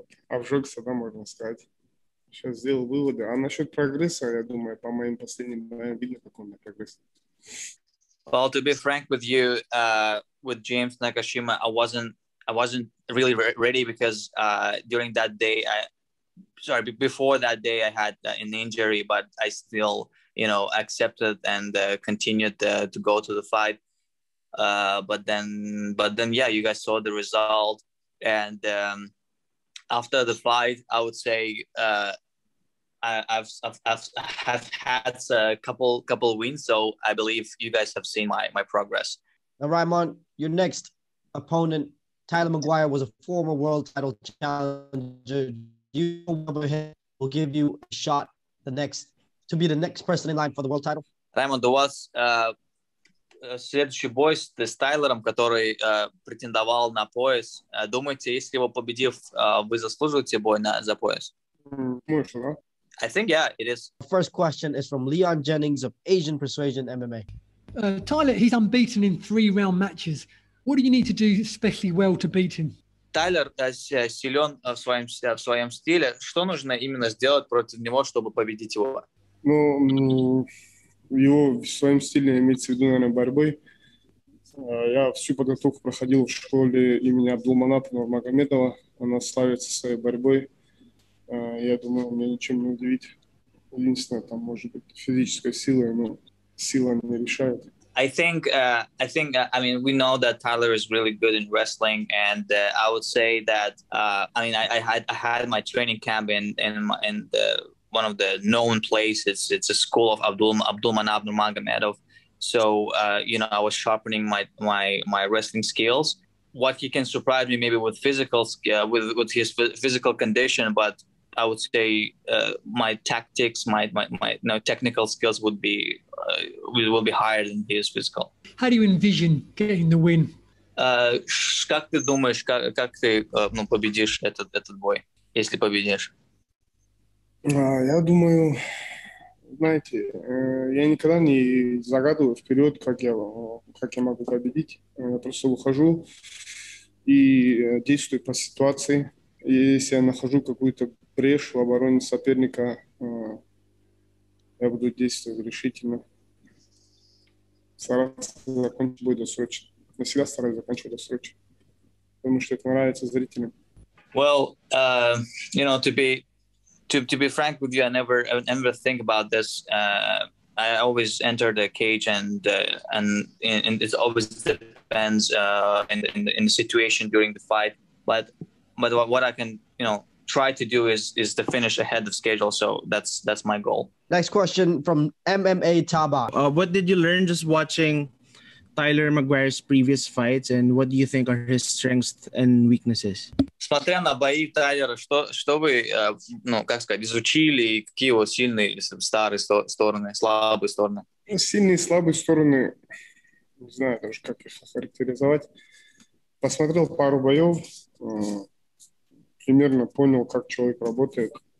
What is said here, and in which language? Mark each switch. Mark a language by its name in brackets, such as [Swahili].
[Russian] Обжегся, да, можно сказать. Сейчас сделал выводы. А насчет прогресса, я думаю, по моим последним боям видно, какой у меня прогресс. [English] Well, to be frank with you, with James Nakashima, I wasn't really ready because during that day, before that day, I had an injury, but I still, you know, accepted and continued to go to the fight. But then, yeah, you guys saw the result. And after the fight, I would say I've had a couple wins, so I believe you guys have seen my progress. Now, Raimond, your next opponent, Tyler Maguire, was a former world title challenger. You over here will give you a shot to be the next person in line for the world title. [Russian] Раймонд, у вас следующий бой с Тайлером, который претендовал на пояс. Думаете, если его победив, вы заслуживаете бой за пояс? [English] I think, yeah, it is. First question is from Leon Jennings of Asian Persuasion MMA. Tyler, he's unbeaten in 3-round matches. What do you need to do especially well to beat him? [Russian] Тайлер силен в своем стиле. Что нужно именно сделать против него, чтобы победить его? Ну, его в своем стиле имеется в виду, наверное, борьбой. Я всю подготовку проходил в школе имени Абдулманапова Магомедова. Она славится своей борьбой. Я думаю, меня ничем не удивить. Единственное, там может быть физическая сила, но сила не решает. [English] I think we know that Tyler is really good in wrestling, and I would say that I had my training camp in one of the known places. It's a school of Abdulmanap Nurmagomedov. So you know, I was sharpening my wrestling skills. What he can surprise me maybe with physical with his physical condition, but I would say my tactics, my technical skills will be higher than his physical. How do you envision getting the win? [Russian] Как ты думаешь, как ты победишь этот бой, если победишь? Я думаю, знаете, я никогда не загадываю вперед, как я могу победить. Я просто выхожу и действую по ситуации. Если я нахожу какую-то брешь в обороне соперника, я буду действовать решительно. Стараться закончить бой досрочно. На себя стараюсь закончить досрочно. Потому что это нравится зрителям. [English] Well, you know, to be frank with you, I never think about this. I always enter the cage and it always depends in the situation during the fight. But what I can, you know, try to do is to finish ahead of schedule. So that's my goal. Next question from MMA Taba. What did you learn just watching Tyler Maguire's previous fights, and what do you think are his strengths and weaknesses? [Russian] Смотря на бои Тайлера, что вы, как сказать, изучили, какие его сильные, старые стороны, слабые стороны? Сильные, слабые стороны, не знаю даже, как их характеризовать. Посмотрел пару боев, примерно понял, как человек работает.